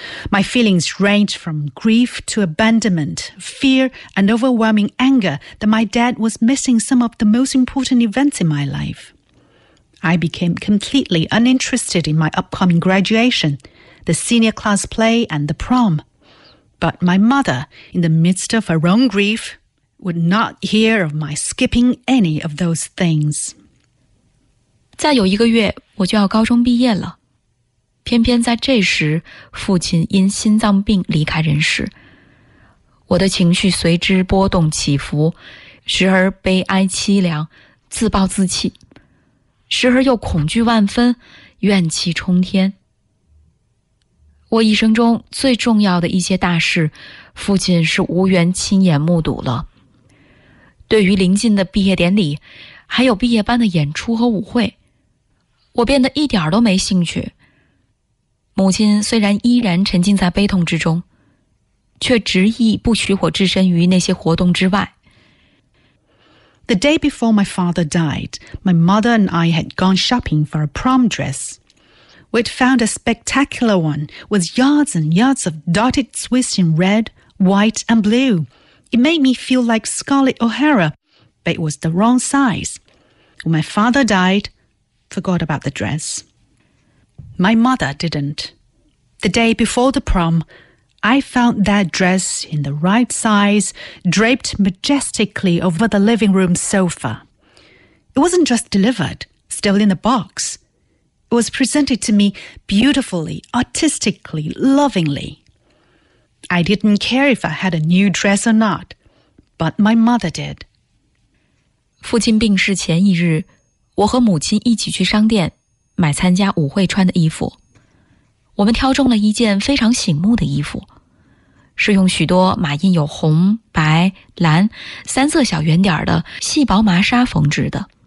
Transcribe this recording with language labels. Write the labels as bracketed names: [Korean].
[English] My feelings ranged from grief to abandonment, fear and overwhelming anger that my dad was missing some of the most important events in my life. I became completely uninterested in my upcoming graduation, the senior class play and the prom. But my mother, in the midst of her own grief, would not hear of my skipping any of those things. [Chinese] 再有一个月我就要高中毕业了。偏偏在这时，父亲因心脏病离开人世。我的情绪随之波动起伏，时而悲哀凄凉，自暴自弃，时而又恐惧万分，怨气冲天。我一生中最重要的一些大事，父亲是无缘亲眼目睹了。对于临近的毕业典礼，还有毕业班的演出和舞会，我变得一点都没兴趣。母亲虽然依然沉浸在悲痛之中，却执意不许我置身于那些活动之外。 [English] The day before my father died, my mother and I had gone shopping for a prom dress. We'd found a spectacular one with yards and yards of dotted Swiss in red, white and blue. It made me feel like Scarlett O'Hara, but it was the wrong size. When my father died, forgot about the dress. My mother didn't. The day before the prom, I found that dress in the right size, draped majestically over the living room sofa. It wasn't just delivered, still in the box. It was presented to me beautifully, artistically, lovingly. I didn't care if I had a new dress or not, but my mother did. [Chinese] 父亲病逝前一日，我和母亲一起去商店买参加舞会穿的衣服。我们挑中了一件非常醒目的衣服，是用许多马印有红、白、蓝三色小圆点的细薄麻纱缝制的。